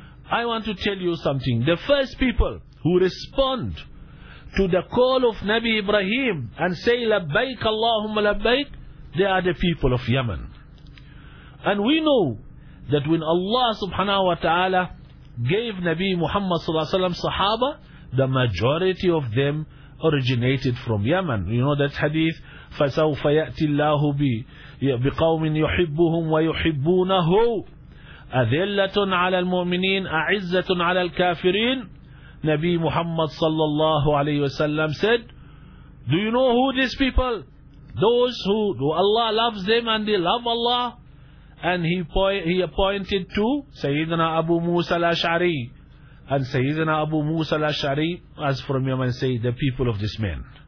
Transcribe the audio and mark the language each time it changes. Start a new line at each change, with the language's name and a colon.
English: I want to tell you something. The first people who respond to the call of Nabi Ibrahim and say
Arabic: labbaik Allahumma labbaik,
English: they are the people of Yemen. And we know that when Allah subhanahu wa ta'ala gave Nabi Muhammad sallallahu alaihi wasallam sahaba, the majority of them originated from Yemen. You know that hadith,
Arabic: فَسَوْفَ يَأْتِ اللَّهُ بِقَوْمٍ يُحِبُّهُمْ وَيُحِبُّونَهُ أَذِلَّةٌ عَلَى الْمُؤْمِنِينَ أَعِزَّةٌ عَلَى الْكَافِرِينَ.
English: Nabi Muhammad sallallahu alayhi wasallam said, do you know who these people? Those who Allah loves them and they love Allah. And he appointed to Sayyidina Abu Musa al-Ash'ari. And Sayyidina Abu Musa al-Ash'ari, as from Yemen, say, the people of this man.